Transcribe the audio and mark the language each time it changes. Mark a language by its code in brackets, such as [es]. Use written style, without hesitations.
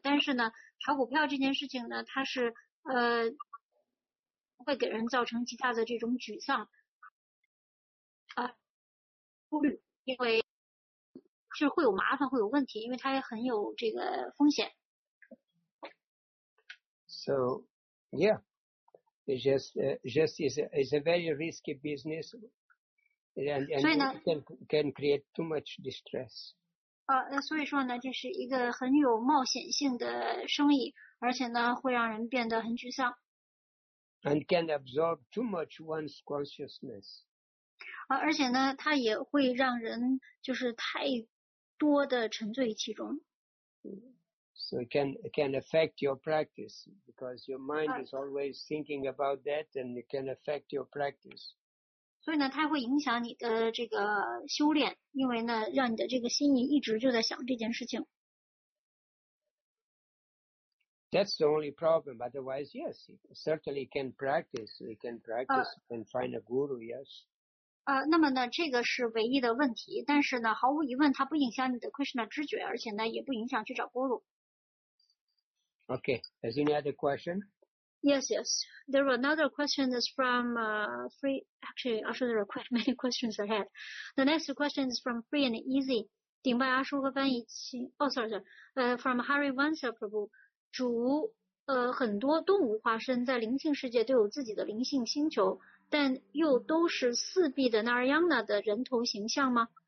[zh] 但是呢，炒股票这件事情呢，它是会给人造成极大的这种沮丧啊顾虑，因为是会有麻烦，会有问题，因为它也很有这个风险。 [en] So, yeah, it's a very risky business, and can create too much distress. [zh] 所以说呢，这是一个很有冒险性的生意，而且呢，会让人变得很沮丧。 [en] And can absorb too much one's consciousness. [zh] 而且呢，它也会让人就是太多的沉醉其中。 [en] So it can affect your practice, because your mind is always thinking about that, and it can affect your practice. [zh] 所以呢，它会影响你的这个修炼，因为呢，让你的这个心一直就在想这件事情。 [en] That's the only problem. Otherwise, yes, certainly can practice. You can practice and find a guru. Yes. [zh] 那么呢，这个是唯一的问题。但是呢，毫无疑问，它不影响你的 Krishna 知觉，而且呢，也不影响去找 guru。 [en] Okay, has any other question? Yes, yes. There were another question is from Free. Actually, Ashu, there are quite many questions ahead. The next question is from Free and Easy. [zh] 顶拜阿叔和翻译器。 [en] Oh, sorry, sorry. From Harry Vansa Prabhu. [zh] 主很多动物化身在灵性世界都有自己的灵性星球，但又都是四臂的 Narayana 的人头形象吗？